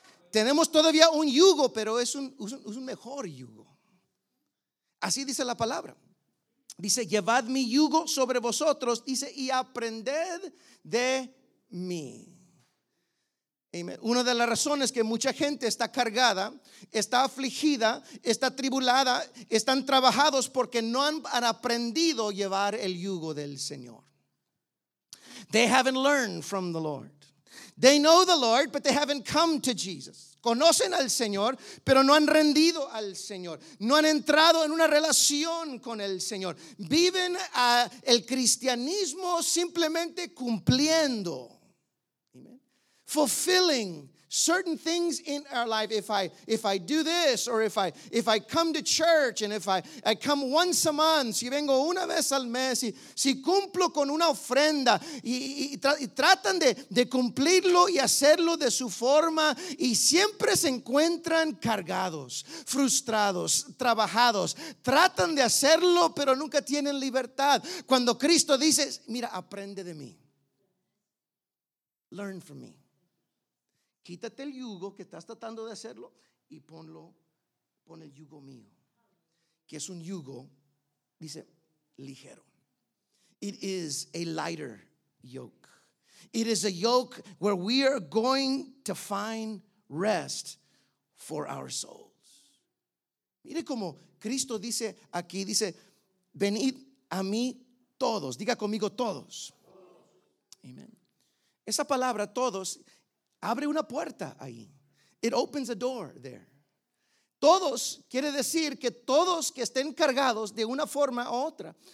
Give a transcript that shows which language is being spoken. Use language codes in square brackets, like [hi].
[es] Tenemos todavía un yugo, pero es un mejor yugo. Así dice la palabra. Dice: llevad mi yugo sobre vosotros, dice, y aprended de mí. Amen. Una de las razones que mucha gente está cargada, está afligida, está tribulada, están trabajados porque no han aprendido llevar el yugo del Señor. [en] They haven't learned from the Lord. They know the Lord, but they haven't come to Jesus. [es] Conocen al Señor, pero no han rendido al Señor. No han entrado en una relación con el Señor. Viven el cristianismo simplemente cumpliendo. Amen. [en] Fulfilling certain things in our life. If I do this, or if I come to church, and if I come once a month, [es] si vengo una vez al mes, si cumplo con una ofrenda, y tratan de cumplirlo y hacerlo de su forma, y siempre se encuentran cargados, frustrados, trabajados. Tratan de hacerlo, pero nunca tienen libertad. Cuando Cristo dice, mira, aprende de mí. [en] Learn from me. [es] Quítate el yugo que estás tratando de hacerlo y pon el yugo mío, que es un yugo, dice, ligero. [en] It is a lighter yoke. It is a yoke where we are going to find rest for our souls. [es] Mire como Cristo dice aquí, dice, venid a mí todos, diga conmigo todos. Amen. Esa palabra todos abre una puerta ahí. [en] It opens a door there. [es] Todos quiere decir que todos que estén cargados de una forma u otra.